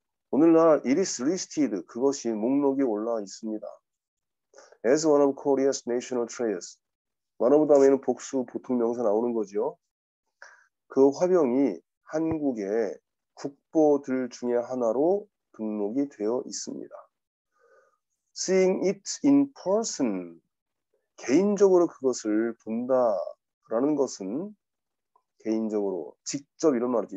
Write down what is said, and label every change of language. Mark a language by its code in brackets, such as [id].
[ko] 오늘날 [en] it is listed [ko] 그것이 목록에 올라 있습니다. [en] As one of Korea's national treasures. [ko] 만화 보다면 복수 보통 명사 나오는 거죠. 그 화병이 한국의 국보들 중에 하나로 등록이 되어 있습니다. [en] Seeing it in person, [ko] 개인적으로 그것을 본다라는 것은 개인적으로 직접 이런 말이죠.